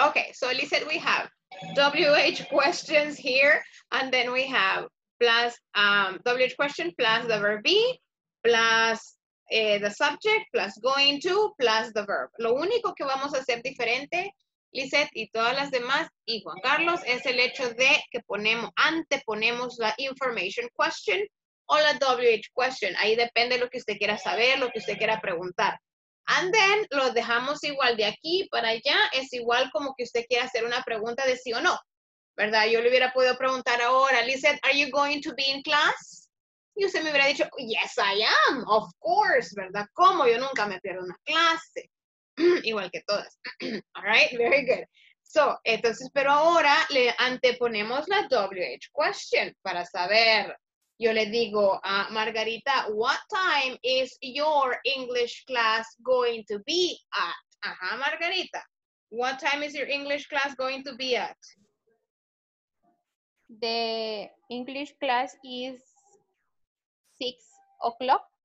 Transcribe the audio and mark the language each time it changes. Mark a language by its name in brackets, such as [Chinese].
[English] Okay, so Lizette, we have WH questions here, and then we have plus WH question plus the verb be, plus the subject, plus going to, plus the verb. [Spanish] Lo único que vamos a hacer diferente, Lizette y todas las demás, y Juan Carlos, es el hecho de que anteponemos la information question, o la WH question, ahí depende de lo que usted quiera saber, lo que usted quiera preguntar. And then, lo dejamos igual de aquí para allá, es igual como que usted quiera hacer una pregunta de sí o no. ¿verdad? Yo le hubiera podido preguntar ahora, Lizette, [English] are you going to be in class? [Spanish] Y usted me hubiera dicho, [English] yes, I am, of course, ¿verdad? [Spanish] ¿Cómo? Yo nunca me pierdo una clase. Igual que todas. [English] All right, very good. [Spanish] So, entonces, pero ahora le anteponemos la WH question para saber. Yo le digo a Margarita, [English] what time is your English class going to be at? Ajá, Margarita. What time is your English class going to be at? The English class is 6 o'clock.